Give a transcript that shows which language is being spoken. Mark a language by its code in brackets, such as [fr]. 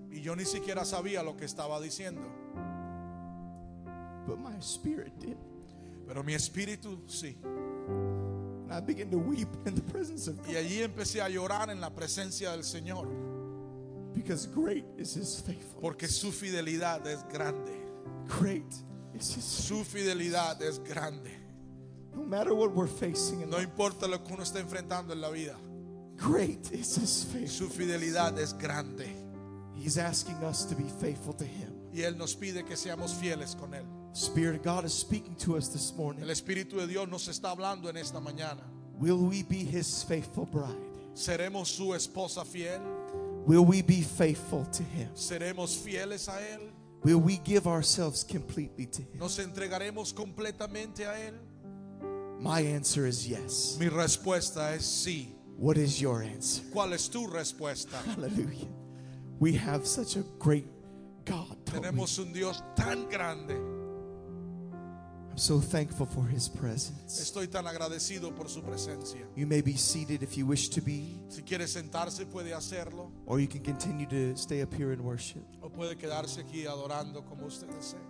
[es] Y yo ni siquiera sabía lo que estaba diciendo. [en] But my spirit did. [es] Pero mi espíritu sí. [en] And I began to weep in the presence of God. [es] Y allí empecé a llorar en la presencia del Señor. [en] Because great is his faithfulness. [es] Porque su fidelidad es grande. [en] Great is his. [es] Su fidelidad es grande. [en] No matter what we're facing in life. [es] No importa lo que uno está enfrentando en la vida. [en] Great is his faithfulness. [es] Su fidelidad es grande. [en] He's asking us to be faithful to him. [es] Y él nos pide que seamos fieles con él. [en] Spirit of God is speaking to us this morning. [es] El Espíritu de Dios nos está hablando en esta mañana. [en] Will we be his faithful bride? [es] ¿Seremos su esposa fiel? [en] Will we be faithful to him? [es] ¿Seremos fieles a él? [en] Will we give ourselves completely to him? [es] ¿Nos entregaremos completamente a él? [en] My answer is yes. [es] Mi respuesta es sí. [en] What is your answer? [es] ¿Cuál es tu respuesta? [en] Hallelujah. We have such a great God. [es] Tenemos un Dios tan grande. [en] so thankful for his presence. [es] Estoy tan agradecido por su presencia. [en] You may be seated if you wish to be. [es] Si quiere sentarse, puede hacerlo. [en] Or you can continue to stay up here and worship. [es] O puede quedarse aquí adorando como usted desee.